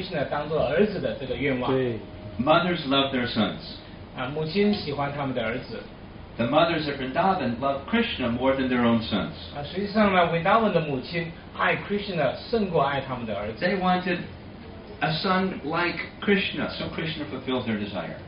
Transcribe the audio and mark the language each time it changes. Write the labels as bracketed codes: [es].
[zh] 那些牧牛童的那些母亲呢，也想满足了所有的这些牧牛女想把Krishna当做儿子的这个愿望。 [en] Mothers love their sons. [zh] 母亲喜欢他们的儿子。 [en] The mothers of Vrindavan love Krishna more than their own sons. [zh] 实际上呢， Vrindavan的母亲爱Krishna胜过爱他们的儿子。 [en] They wanted a son like Krishna, so Krishna fulfilled their desire.